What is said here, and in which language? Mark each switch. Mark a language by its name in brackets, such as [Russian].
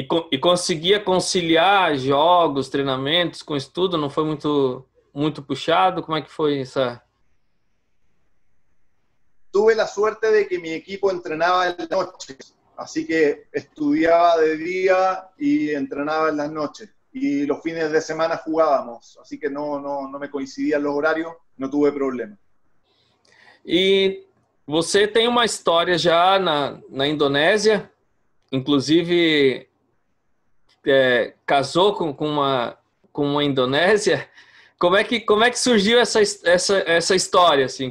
[Portuguese] E conseguia conciliar jogos, treinamentos com estudo? Não foi muito, muito puxado? Como é que foi essa? [Spanish] Tuve la suerte de que mi equipo entrenaba en las noches. Así que estudiaba de día y entrenaba en las noches. Y los fines de semana jugábamos. Así que no me coincidían los horarios. No tuve problema. [Portuguese] E você tem uma história já na Indonésia? Inclusive, casou com uma Indonésia? Como é que surgiu essa história, assim?